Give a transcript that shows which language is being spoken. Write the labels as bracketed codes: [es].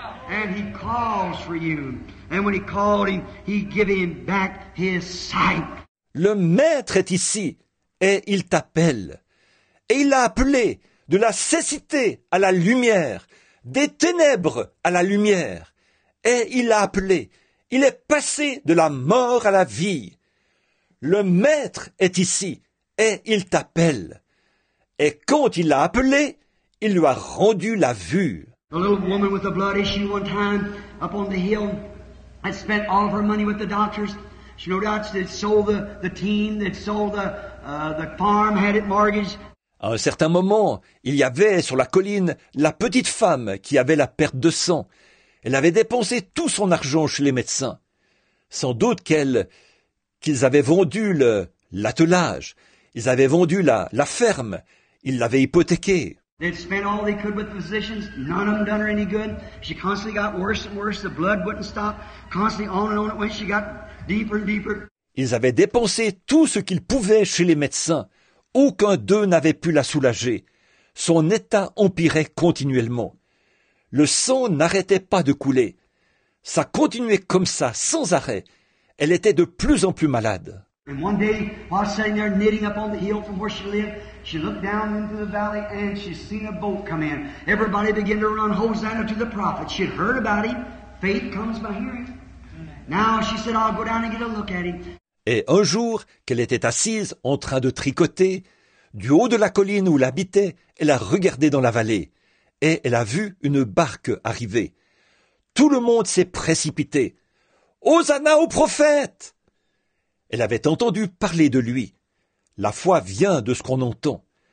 [en] And he calls for you. And when he called him, he gave him back his sight. [fr] Le maître est ici et il t'appelle. Et il l'a appelé de la cécité à la lumière, des ténèbres à la lumière. Et il l'a appelé. Il est passé de la mort à la vie. Le maître est ici et il t'appelle. Et quand il l'a appelé, il lui a rendu la vue. [en] The little woman with the blood issue one time up on the hill had spent all of her money with the doctors. She no doubt had sold the team, had sold the farm, had it mortgaged. [fr] À un certain moment, il y avait sur la colline la petite femme qui avait la perte de sang. Elle avait dépensé tout son argent chez les médecins. Sans doute qu'ils avaient vendu l'attelage. Ils avaient vendu la ferme. Ils l'avaient hypothéqué. [en] They'd spent all they could with the physicians. None of them done her any good. She constantly got worse and worse. The blood wouldn't stop. Constantly on and on it went. She got deeper and deeper. [fr] Ils avaient dépensé tout ce qu'ils pouvaient chez les médecins. Aucun d'eux n'avait pu la soulager. Son état empirait continuellement. Le sang n'arrêtait pas de couler. Ça continuait comme ça, sans arrêt. Elle était de plus en plus malade. [en] And one day, while sitting there knitting up on the hill from where she lived, she looked down into the valley and she seen a boat come in. Everybody began to run Hosanna to the prophet. She had heard about him. Faith comes by hearing. Now she said, I'll go down and get a look at him. [fr] Et un jour, qu'elle était assise en train de tricoter, du haut de la colline où elle habitait, elle a regardé dans la vallée et elle a vu une barque arriver. Tout le monde s'est précipité. Hosanna au prophète! Elle avait entendu parler de lui. La foi vient de ce qu'on entend.